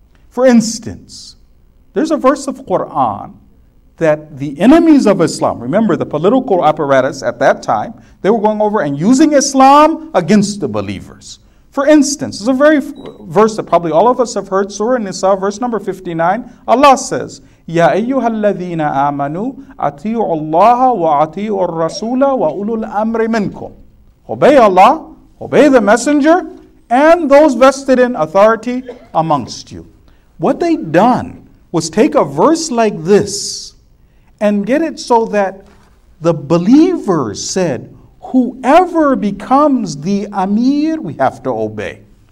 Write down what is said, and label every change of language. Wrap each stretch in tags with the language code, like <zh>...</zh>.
<en>For instance, there's a verse of Quran that the enemies of Islam, remember the political apparatus at that time, they were going over and using Islam against the believers. For instance, there's a very verse that probably all of us have heard, Surah Nisa, verse number 59. Allah says,</en> <ar>يَا أَيُّهَا الَّذِينَ آمَنُوا أَطِيعُوا اللَّهَ وَأَطِيعُوا الرَّسُولَ وَأُولُو الْأَمْرِ مِنْكُمْ.</ar> <en>Obey Allah, obey the messenger, and those vested in authority amongst you. What they'd done was take a verse like this and get it so that the believers said, whoever becomes the Amir, we have to obey.</en>